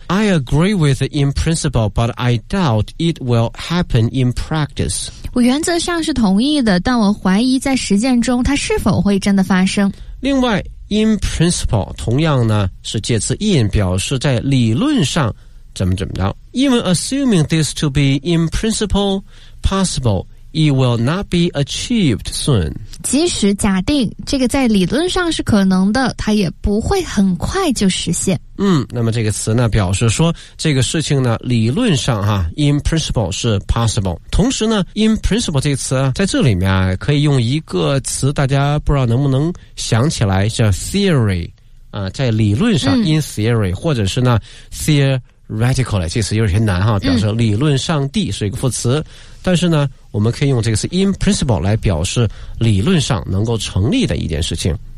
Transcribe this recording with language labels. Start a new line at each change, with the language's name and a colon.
English: I agree with in principle but I doubt it will happen in practice，
Chinese: 我原则上是同意的，但我怀疑在实践中它是否会真的发生。另外 in principle 同样呢是介词 in， 表示在理论上怎么怎么着。
English: Even assuming this to be in principle possibleIt will not be achieved soon，
Chinese: 即使假定这个在理论上是可能的，它也不会很快就实现。那么这个词呢表示说这个事情呢理论上哈 in principle 是 possible。同时呢 in principle 这个词在这里面可以用一个词，大家不知道能不能想起来，叫 theory 啊，在理论上 in theory， 或者是呢 theoretical， 这词有点难哈，表示理论上帝是一个副词，但是呢我们可以用这个是 in principle 来表示理论上能够成立的一件事情。